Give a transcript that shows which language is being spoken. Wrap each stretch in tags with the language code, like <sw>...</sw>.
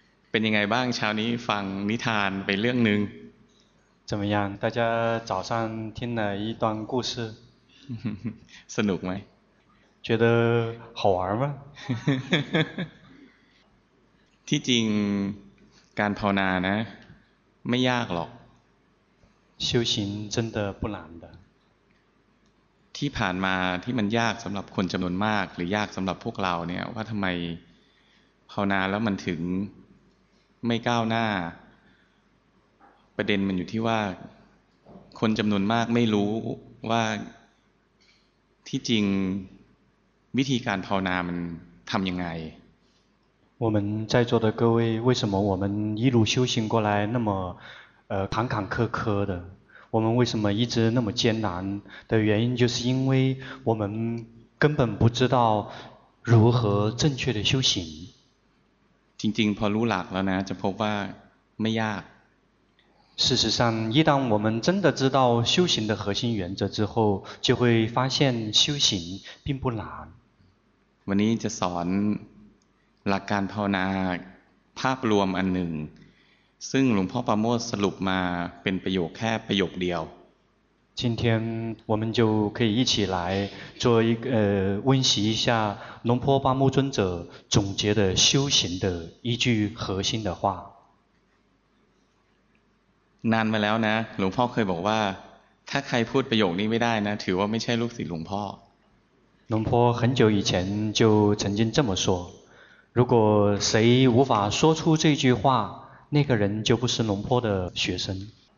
<th>เป็นยังไงบ้างเช้านี้ฟังนิทานไปเรื่องนึง</th> <zh>怎么样？大家早上听了一段故事，</zh> <th>สนุกไหม</th> <zh>觉得好玩吗？</zh> <th>ที่จริงการภาวนานะไม่ยากหรอก</th> <zh>修行真的不难的。</zh> <th>ที่ผ่านมาที่มันยากสำหรับคนจำนวนมากหรือยากสำหรับพวกเราเนี่ยว่าทำไมภาวนาแล้วมันถึงไม่ก้าวหน้าประเด็นมันอยู่ที่ว่าคนจำนวนมากไม่รู้ว่าที่จริงวิธีการภาวนามันทำยังไง</th> <zh>我们在座的各位，为什么我们一路修行过来那么，坎坎坷坷的？我们为什么一直那么艰难？的原因就是因为我们根本不知道如何正确的修行。</zh> <th>จริงๆพอรู้หลักแล้วนะจะพบว่าไม่ยาก。</th> <zh>事实上，一旦我们真的知道修行的核心原则之后，就会发现修行并不难。</zh> <th>วันนี้จะสอนหลักการภาวนาภาพรวมอันหนึ่งซึ่งหลวงพ่อประโมทสรุปมาเป็นประโยคแค่ประโยคเดียว</th> <zh>今天我们就可以一起来做一个温习一下龙坡巴木尊者总结的修行的一句核心的话</zh> <th>นานมาแล้วนะหลวงพ่อเคยบอกว่าถ้าใครพูดประโยคนี้ไม่ได้นะถือว่าไม่ใช่ลูกศิษย์หลวงพ่อ</th> <zh>龙坡很久以前就曾经这么说如果谁无法说出这句话那个人就不是龙坡的学生</zh>